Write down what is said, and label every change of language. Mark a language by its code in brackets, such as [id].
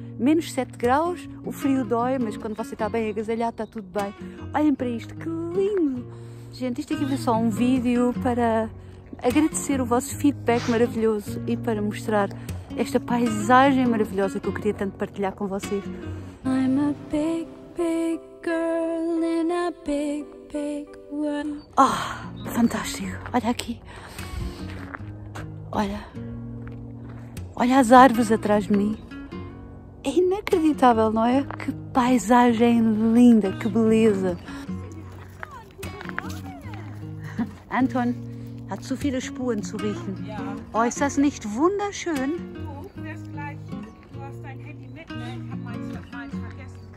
[pt] Menos 7 graus, o frio dói, mas quando você está bem agasalhado está tudo bem. Olhem para isto, que lindo! Gente, isto aqui foi só um vídeo para agradecer o vosso feedback maravilhoso e para mostrar esta paisagem maravilhosa que eu queria tanto partilhar com vocês. [en] I'm a big, big girl in a big, big world. [pt] Oh, fantástico! Olha aqui! Olha! Olha as árvores atrás de mim! É inacreditável, não é? Que paisagem linda, que beleza! [de] Anton, hat zu viele Spuren zu riechen. Ja. Oh, ist das nicht wunderschön? Du wirst gleich, du hast dein Handy mit, ne? Ich hab meins vergessen.